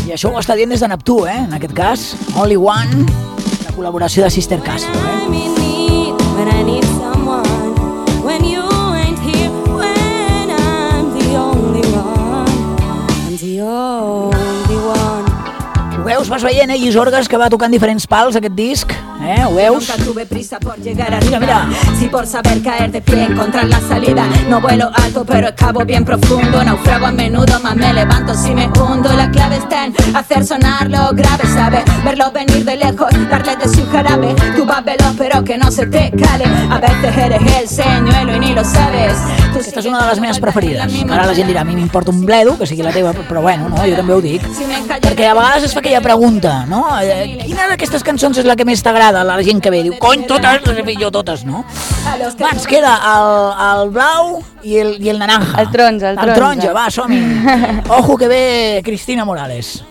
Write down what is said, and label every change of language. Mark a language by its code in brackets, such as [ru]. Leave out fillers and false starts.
[ca] I això ho està dient des de Neptú, eh? En aquest cas, Only One, la col·laboració de Sister Castro, eh? [en] When I'm in need, when I need someone, when you ain't here, when I'm the only one, I'm the only one. [ca] Ho veus? Vas veient, Llisorgues, que va tocant diferents pals aquest disc? ¿Eh? ¿Veus? [es] Nunca tuve prisa por llegar arriba. Mira, mira. Si por saber caer de pie encontrar la salida. No vuelo alto, pero excavo bien profundo. Naufrago a menudo, más me levanto si me hundo. La clave está en hacer sonar lo grave, ¿sabes? Verlo venir de lejos, darle de su jarabe. Tú vas veloz, pero que no se te cale. A veces eres el señuelo y ni lo sabes. Tú esta es una de las mías preferidas. Ahora la gente dirá, a mí me importa un bledo, [ca] que sigui la teva, però bueno, no, jo també ho dic. Perquè a vegades es fa aquella pregunta, no? Quina d'aquestes cançons és la que més t'agrada? La gent que ve diu, cony, totes, les millor totes, no? Va, ens queda el blau i el naranja. El taronja, el taronja. El taronja, va, som-hi. Ojo que ve Cristina Morales.